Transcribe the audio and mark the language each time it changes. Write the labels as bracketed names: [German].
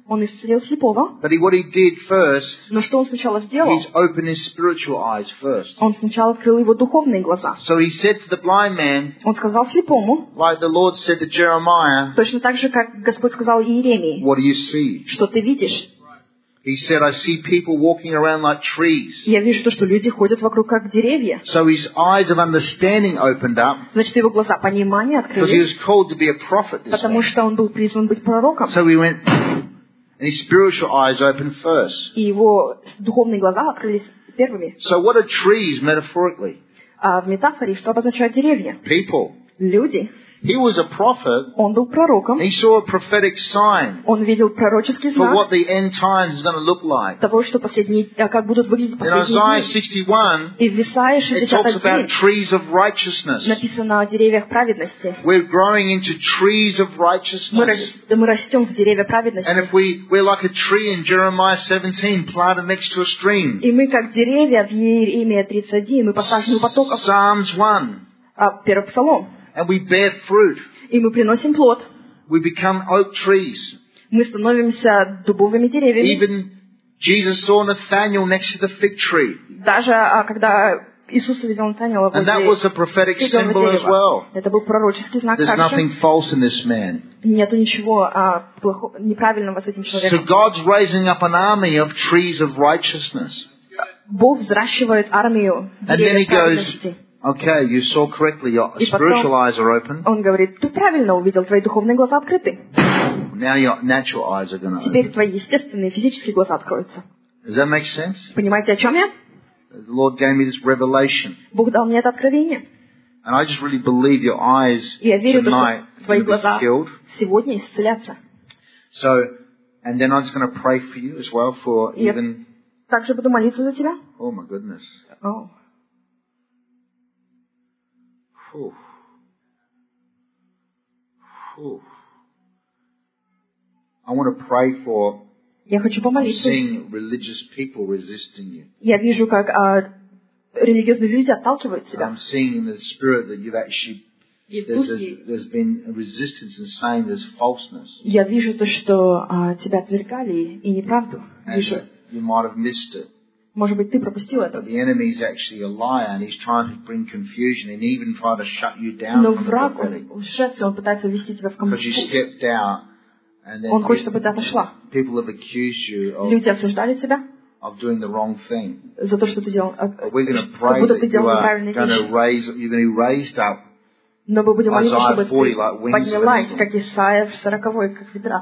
[Russian] Он исцелил слепого. [English] But what he did first? [Russian] Но что он сначала сделал? [English] He opened his spiritual eyes first. [Russian] Он сначала открыл его духовные глаза. [English] So he said to the blind man. [Russian] Он сказал слепому. [English] Like the Lord said to Jeremiah. [Russian] Точно так же, как Господь сказал Иеремии. [English] What do you see? [Russian] Что ты видишь? [English] He said, "I see people walking around like trees." [Russian] Я вижу то, что люди ходят вокруг как деревья. [English] So his eyes of understanding opened up. [Russian] Значит, его глаза понимания открылись. [English] Because he was called to be a prophet. [Russian] Потому что он был призван быть пророком. [English] So he went, and his spiritual eyes opened first. [Russian] И его духовные глаза открылись первыми. [English] So what are trees metaphorically? [Russian] А в метафоре что обозначают деревья? [English] People. [Russian] Люди. [English] He was a prophet. [Russian] Он был пророком. [English] He saw a prophetic sign. [Russian] Он видел пророческий знак. [English] For what the end times is going to look like. [Russian] Того, что последние, как будут выглядеть последние дни. [English] In Isaiah 61, [Russian] и в Исаии 61, [English] it talks about trees of righteousness. [Russian] Написано о деревьях праведности. [English] We're growing into trees of righteousness. [Russian] Мы растем в деревья праведности. [English] And if we're like a tree in Jeremiah 17, planted next to a stream. [Russian] И мы как деревья в Иеремии 31, мы посажены у потоков. [English] Psalms 1. [Russian] Первый псалом. [English] And we bear fruit. [Russian] И мы приносим плод. [English] We become oak trees. [Russian] Мы становимся дубовыми деревьями. [English] Even Jesus saw Nathanael next to the fig tree. [Russian] Даже когда Иисус увидел Натаниэла возле. [English] And that was a prophetic symbol as well. [Russian] Это был пророческий знак. [English] There's nothing false in this man. [Russian] Нет ничего неправильного с этим человеком. [English] So God's raising up an army of trees of righteousness. [Russian] Бог взращивает армию деревьев праведности. [English] Okay, you saw correctly. Your spiritual eyes are open. [Russian] Он говорит, ты правильно увидел, твои духовные глаза открыты. [English] Now your natural eyes are going to open. [Russian] Теперь твои естественные физические глаза откроются. [English] Does that make sense? [Russian] Понимаете, о чем я? [English] The Lord gave me this revelation. [Russian] Бог дал мне это откровение. [English] And I just really believe your eyes tonight will be healed. [Russian] Сегодня исцелятся. [English] So, and then I'm just going to pray for you as well for even. [Russian] Также буду молиться за тебя. [English] Oh my goodness. Oh. I want to pray for. [Russian] Я хочу помолиться. [English] Seeing religious people resisting you. [Russian] Я вижу, как религиозные люди отталкивают себя. [English] I'm seeing in the spirit that you've actually there's been resistance and saying there's falseness. [Russian] Я вижу то, что тебя отвергали и неправду. Вижу. [English] You might have missed it. [Russian] Может быть, ты пропустил это. [English] But the enemy is actually a liar, and he's trying to bring confusion and even try to shut you down. [Russian] Но враг, он пытается ввести тебя в конфликт. [English] Because you stepped out, and then [Russian] он хочет, чтобы ты отошла. [English] People have accused you of. [Russian] Люди осуждали тебя. [English] Of doing the wrong thing. [Russian] За то, что ты делал. [English] But we're going to pray that you're going to raise up. [Russian] Но мы будем молиться, чтобы поднялась, как Исаия в 40-й, как ведра.